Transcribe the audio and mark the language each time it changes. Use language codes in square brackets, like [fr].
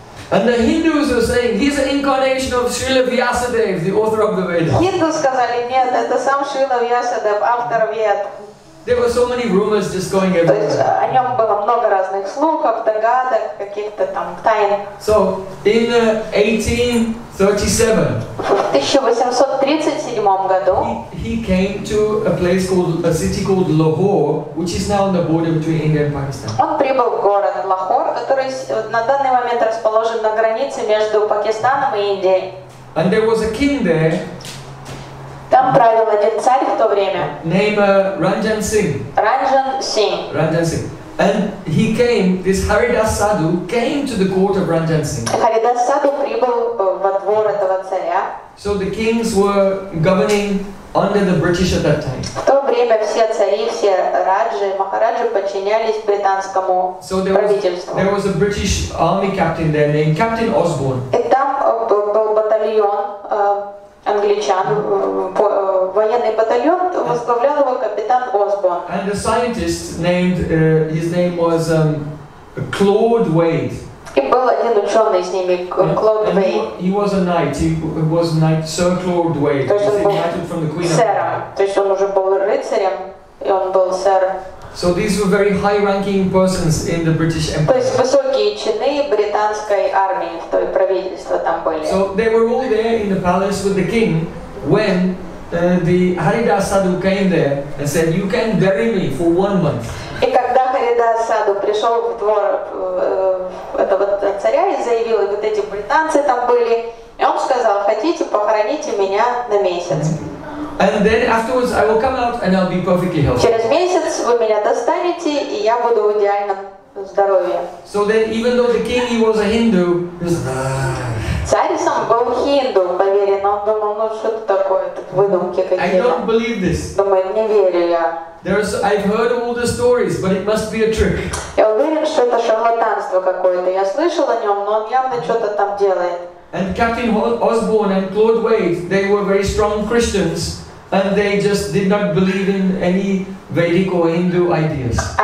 [en] And the Hindus are saying he's an incarnation of Srila Vyasadeva, the author of the Vedas. [ru] Хинду сказали, нет, это сам Шрила Вьясадев, автор Вед. [en] There were so many rumors just going everywhere. [ru] То есть о нем было много разных слухов, догадок, каких-то там тайн. [en] So in 1837. [ru] В 1837 году. [en] He came to a place called a city called Lahore, which is now on the border between India and Pakistan. [ru] Он прибыл в город Лахор, который на данный момент расположен на границе между Пакистаном и Индией. [en] And there was a king there. [ru] Там правил один царь в то время. [en] Name Ranjan Singh. [ru] Ranjan Singh. Ranjan Singh. [en] And he came, this Haridas Sadhu came to the court of Ranjan Singh. [ru] Haridas Sadhu прибыл во двор этого царя. [en] So the kings were governing under the British at that time. [ru] В то время все цари, все раджи, махараджи подчинялись британскому правительству. [en] There was a British army captain there named Captain Osborne. [ru] И там был батальон англичан, военный батальон, возглавлял его капитан Осборн. [en] And a scientist named, his name was Claude Wade. [ru] И был один ученый с ними, Claude Wade. [en] He was a knight, he was a knight, Sir Claude Wade. [ru] То есть он был [en] from the Queen [ru] сэром, [en] of... [ru] то есть он уже был рыцарем, и он был сэр. [en] So these were very high-ranking persons in the British Empire. [ru] То есть высокие чины британской армии в той правительстве там были. [en] So they were all there in the palace with the king when the Haridas Sadhu came there and said, "You can bury me for 1 month." [ru] И когда Haridas Sadhu пришел в двор этого царя и заявил, и вот эти британцы там были, и он сказал, хотите, похороните меня на месяц. [en] And then afterwards, I will come out and I'll be perfectly healthy. [ru] Через месяц вы меня достанете, и я буду в идеальном здоровье. [en] So then, even though the king he was a Hindu, [ru] царь сам был хинду, поверил, но он думал, ну что это такое, выдумки какие-то. [en] I don't believe this. [ru] Думаю, не верю я. [en] I've heard all the stories, but it must be a trick. [ru] Я уверен, что это шарлатанство какое-то. Я слышал о нем, но он явно что-то там делает. [en] And Captain Osborne and Claude Wade, they were very strong Christians, and they just did not believe in any Vedic or Hindu ideas.